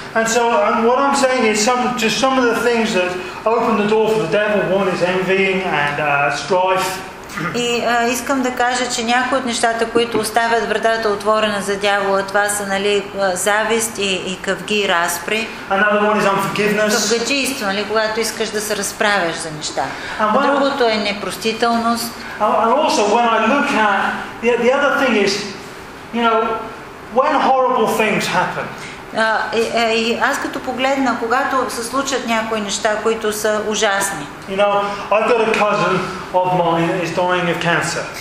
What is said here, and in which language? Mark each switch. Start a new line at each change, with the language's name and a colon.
English: And so and what I'm saying is some of the things that open the door for the devil, one is envying and strife.
Bulgarian: И искам да кажа, че някои от нещата, които оставят вратата отворена за дявола, това са, нали, завист и къвги и разпри.
English: Another one is unforgiveness.
Bulgarian: Къвгачийство, нали, когато искаш да се разправяш за неща. Другото е непростителност.
English: And also when I look at the other thing is, you know, when horrible things happen.
Bulgarian: И аз като погледна, когато се случат някои неща, които са ужасни.
English: You know, I've got a cousin of mine is dying of cancer.